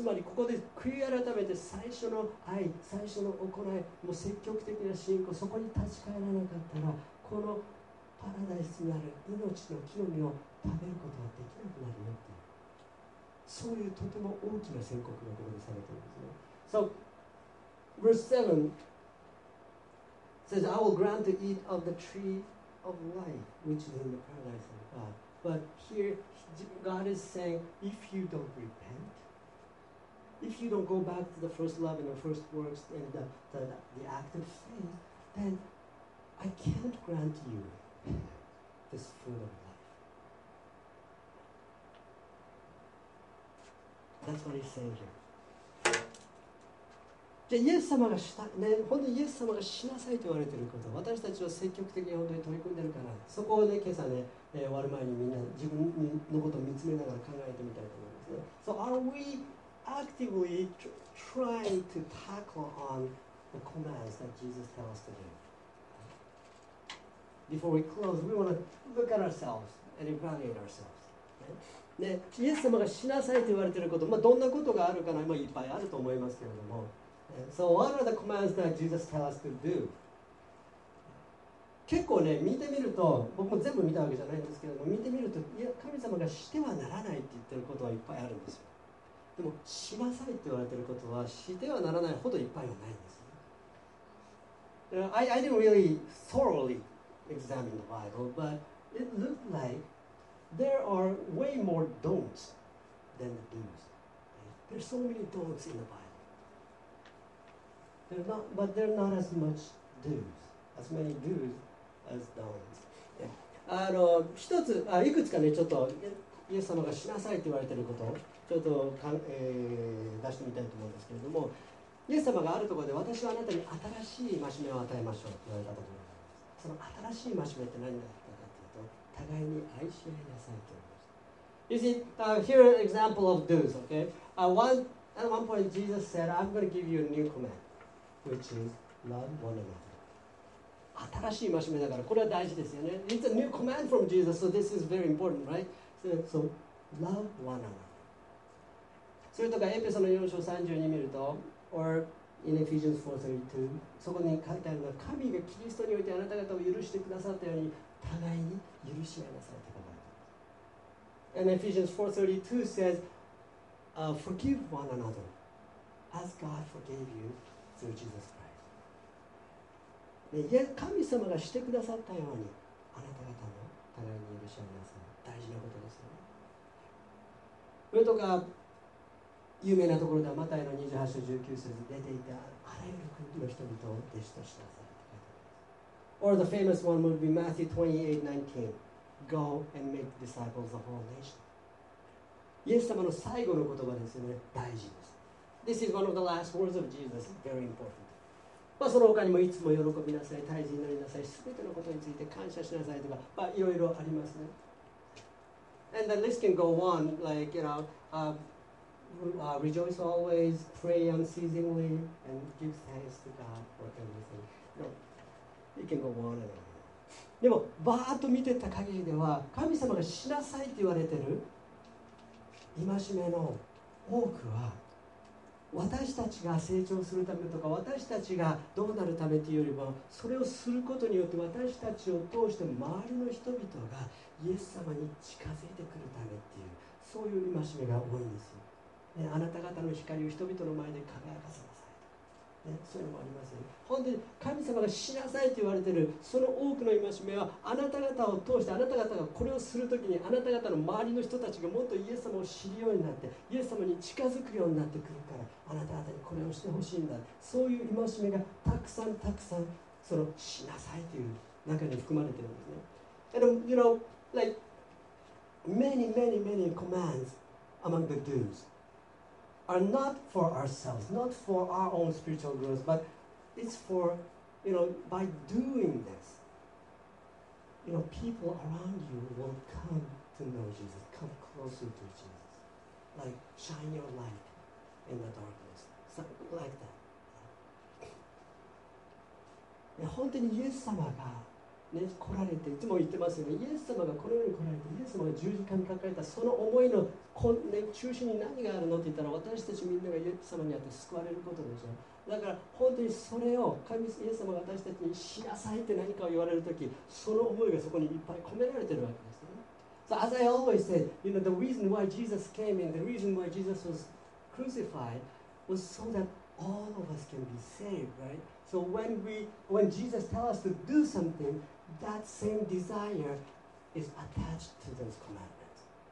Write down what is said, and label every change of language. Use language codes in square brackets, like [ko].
[ja] つまりここで悔い改めて最初の愛、最初の行い、もう積極的な信仰、そこに立ち返らなかったらこのパラダイスにある命の木の実を食べることはできなくなるよって、そういうとても大きな宣告のところにされているんですね。 [en] So verse 7 says I will grant to eat of the treeof life, which is in the paradise of God. But here, God is saying, if you don't repent, if you don't go back to the first love and the first works and the act of faith, then I can't grant you this fruit of life. That's what he's saying here. [ja] じゃあイエス様がした、ね、本当にイエス様が死なさいと言われていること、私たちは積極的に本当に取り組んでいるから、そこをね今朝ね、終わる前にみんな自分のことを見つめながら考えてみたいと思いますね。 [en] So are we actively trying to tackle on the commands that Jesus tells us to do? Before we close, we want to look at ourselves and evaluate ourselves、 [ja] ね、イエス様が死なさいと言われていること、まあ、どんなことがあるかな、まあ、いっぱいあると思いますけれども、 [en] So what are the commands that Jesus tells us to do? [ja] 結構ね、見てみると、僕も全部見たわけじゃないんですけども、見てみると、いや、神様がしてはならないって言ってることはいっぱいあるんですよ。でも、しなさいって言われてることは、してはならないほどいっぱいはないんです。 [en] I didn't really thoroughly examine the Bible, but it looked like there are way more don'ts than the do's. There's so many don'ts in the Bible. But they're not as much do's, as many do's as don'ts. Yeah. [ja] 一つ、あ、いくつかね、ちょっとイエス様がしなさいって言われてることをちょっとか、出してみたいと思うんですけれども、イエス様があるところで、私はあなたに新しい戒めを与えましょうって言われたと思います。その新しい戒めって何だったかというと、互いに愛し合いなさいと言いました。 [en] You see, here an example of do's, okay? At one point Jesus said, I'm going to give you a new command, which is love one another. [ja] 新しい戒めだから、これは大事ですよね。 [en] It's a new command from Jesus, so this is very important, right? So love one another. [ja] それとか、エペソの4章32に見ると、 [en] or in Ephesians 4:32, [ja] そこに書いてあるのは、神がキリストにおいてあなた方を許してくださったように、互いに許し合いなさいと書いてあります。 [en] And Ephesians 4:32 says,forgive one another as God forgave you through Jesus Christ. [ja] イエス神様がしてくださったようにあなた方も互いに許し合いなさい。大事なことですよね。それとか有名なところではマタイの28章19節出ていたあらゆる国の人々を弟子としなさい。 [en] Or the famous one would be Matthew 28:19 Go and make disciples of all nations. [ja] イエス様の最後の言葉ですよね。大事です。 [en] This is one of the last words of Jesus. Very important. [ja] まあその他にもいつも喜びなさい、大事になりなさい、すべてのことについて感謝しなさいとか、まあいろいろありますね。 [en] And the list can go on, like, you know, rejoice always, pray unceasingly, and give thanks to God for everything. No, it can go on and on. [ja] でも、バーッと見てた限りでは、神様がしなさいって言われてる、戒めの多くは私たちが成長するためとか私たちがどうなるためというよりもそれをすることによって私たちを通して周りの人々がイエス様に近づいてくるためっていうそういう戒めが多いんですよ、ね、あなた方の光を人々の前で輝かせなさいとか、ね、そういうのもありますよね。本当に神様がしなさいと言われているその多くの戒めはあなた方を通してあなた方がこれをするときにあなた方の周りの人たちがもっとイエス様を知るようになってイエス様に近づくようになってくるからあなた方にこれをしてほしいんだそういう戒めがたくさんたくさんそのしなさいという中に含まれているんですね。 [en] And you know, like many, many, many commands among the do's are not for ourselves, not for our own spiritual growth, butIt's for, you know, by doing this, you know, people around you will come to know Jesus, come closer to Jesus. Like, shine your light in the darkness. Something like that. [ja] で本当にイエス様が、ね、来られて、いつも言ってますよね。イエス様がこの世に来られて、イエス様が十字架にかかれた、その思いの、ね、中心に何があるのって言ったら、私たちみんながイエス様にあって救われることでしょ。だから本当にそれを神イエス様が私たちにしなさいって何かを言われるときその思いがそこにいっぱい込められてるわけですね。 [en] So as I always said, you know, the reason why Jesus came and the reason why Jesus was crucified was so that all of us can be saved, right? So when Jesus tells us to do something, that same desire is attached to those commandments.